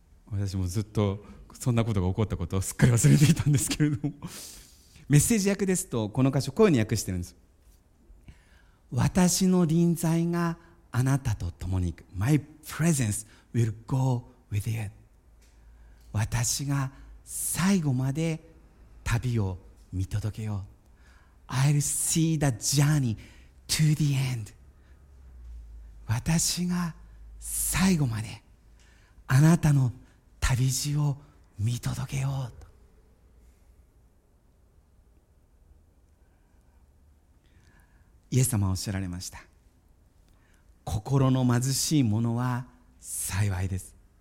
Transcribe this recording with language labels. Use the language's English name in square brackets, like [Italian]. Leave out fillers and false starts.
[Japanese] 私もずっとそんなことが起こったことをすっかり忘れていたんですけれども、メッセージ訳ですとこの箇所こういうふうに訳してるんです。私の臨在があなたと共に行く。 [English] My presence will go with you。 [Japanese] 私が最後まで旅を見届けよう。 [English] I'll see the journey to the end。 [Japanese] 私が最後まであなたの旅路を見届けようと。イエス様はおっしゃられました。心の貧しいものは幸いです。